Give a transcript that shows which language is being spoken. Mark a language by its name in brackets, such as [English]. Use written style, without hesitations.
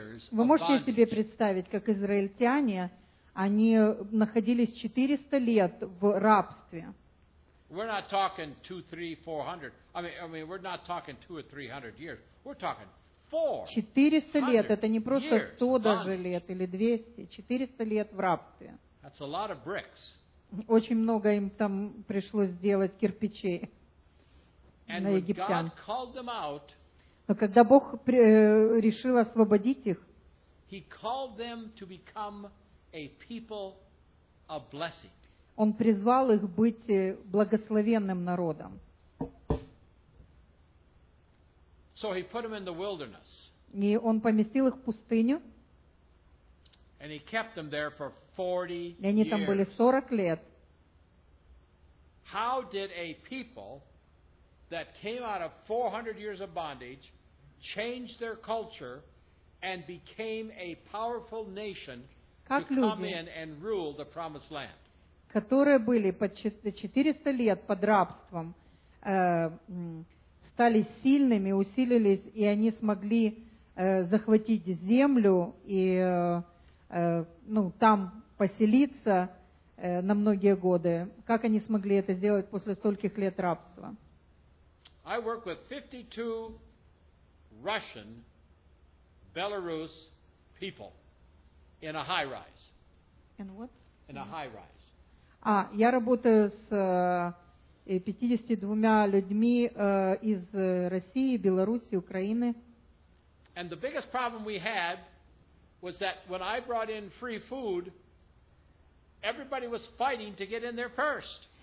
[Russian] Вы можете себе представить, как израильтяне, они находились 400 лет в рабстве. [English] We're not talking 2-3-400. I mean, we're not talking 2 or 300 years. We're talking 400. [Russian] 400 лет — это не просто 100 даже лет или 200. 400 лет в рабстве. [English] That's a lot of bricks. [Russian] Очень много им там пришлось сделать кирпичей на египтян. [English] And God called them out. [Russian] Но когда Бог решил освободить их, [English] He called them to become a people of blessing. [Russian] Он призвал их быть благословенным народом. [English] So he put them in the wilderness. [Russian] И он поместил их в пустыню. [English] And he kept them there for 40 years. [Russian] И они там были 40 лет. [English] How did a people that came out of 400 years of bondage change their culture and became a powerful nation to come in and rule the promised land? [Russian] Которые были под 400 лет под рабством, стали сильными, усилились, и они смогли захватить землю и там поселиться на многие годы. Как они смогли это сделать после стольких лет рабства? [English] I work with 52 Russian Belarus people in a high rise. In what? In a high rise. [Russian] А, я работаю с 52 людьми из России, Беларуси, Украины. [English] And the biggest problem we had was that when I brought in free food, everybody was fighting to get in there first.